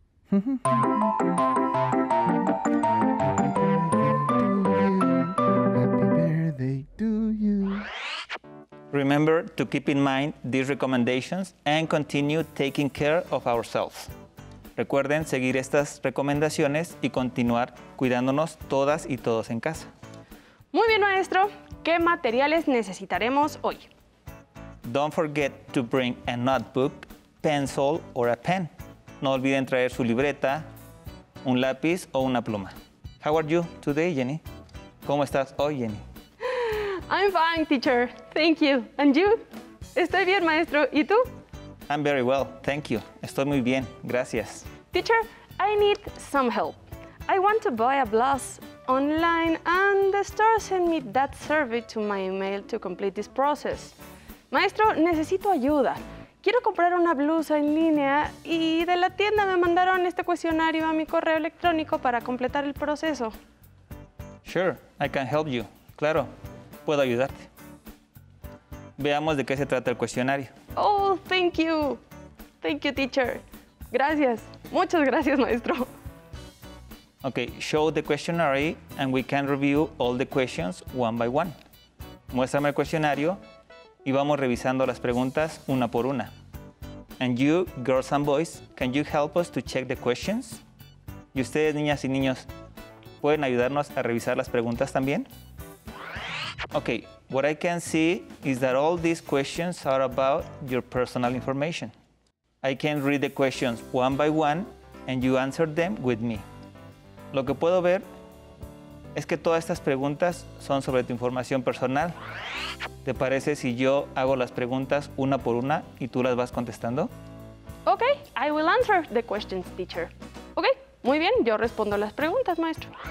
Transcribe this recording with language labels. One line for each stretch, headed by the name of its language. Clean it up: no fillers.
English: Happy birthday to you. Remember to keep in mind these recommendations and continue taking care of ourselves.
Spanish: Recuerden seguir estas recomendaciones y continuar cuidándonos todas y todos en casa. Muy bien, maestro. ¿Qué materiales necesitaremos hoy?
English: Don't forget to bring a notebook, pencil or a pen.
Spanish: No olviden traer su libreta, un lápiz o una pluma.
English: How are you today, Jenny?
Spanish: ¿Cómo estás hoy, Jenny?
English: I'm fine, teacher. Thank you. And you?
Spanish: Estoy bien, maestro. ¿Y tú?
English: I'm very well. Thank you.
Spanish: Estoy muy bien. Gracias.
English: Teacher, I need some help. I want to buy a blouse online, and the store sent me that survey to my email to complete this process.
Spanish: Maestro, necesito ayuda. Quiero comprar una blusa en línea y de la tienda me mandaron este cuestionario a mi correo electrónico para completar el proceso.
English: Sure, I can help you.
Spanish: Claro, puedo ayudarte. Veamos de qué se trata el cuestionario.
English: Oh, thank you. Thank you, teacher.
Spanish: Gracias. Muchas gracias, maestro.
English: Okay, show the questionnaire and we can review all the questions one by one.
Spanish: Muéstrame el cuestionario y vamos revisando las preguntas una por una.
English: And you, girls and boys, can you help us to check the questions?
Spanish: Y ustedes, niñas y niños, ¿pueden ayudarnos a revisar las preguntas también?
English: Okay, what I can see is that all these questions are about your personal information. I can read the questions one by one and you answer them with me.
Spanish: Lo que puedo ver es que todas estas preguntas son sobre tu información personal. ¿Te parece si yo hago las preguntas una por una y tú las vas contestando?
English: Okay, I will answer the questions, teacher.
Spanish: Okay, muy bien, yo respondo las preguntas, maestro.